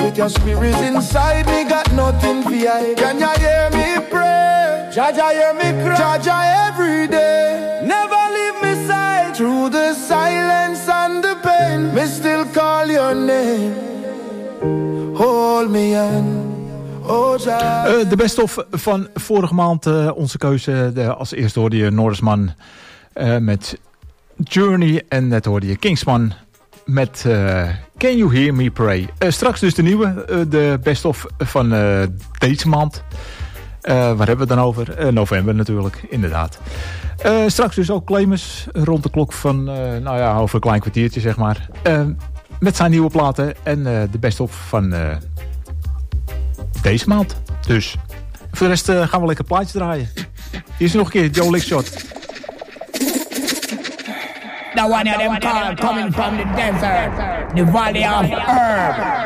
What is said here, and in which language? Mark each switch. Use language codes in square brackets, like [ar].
[en] With your spirit inside, me got nothing to hide. Can you hear me pray? Jah Jah hear me cry. Jah Jah every day. Never leave me side. Through the silence and the pain, me still call your name. Hold me in. [nl] De best of van vorige maand, onze keuze. Als eerste hoorde je Noorsman met Journey. En net hoorde je Kingsman met Can You Hear Me Pray. Straks dus de nieuwe, de best of van deze maand. Waar hebben we het dan over? November natuurlijk, inderdaad. Straks dus ook Clemens rond de klok van over een klein kwartiertje, zeg maar. Met zijn nieuwe platen en de best of van deze maand. Dus voor de rest gaan we lekker plaatje draaien. Hier is nog een keer Joe Lickshot. [en] The one of them called coming from the desert, the valley of herb.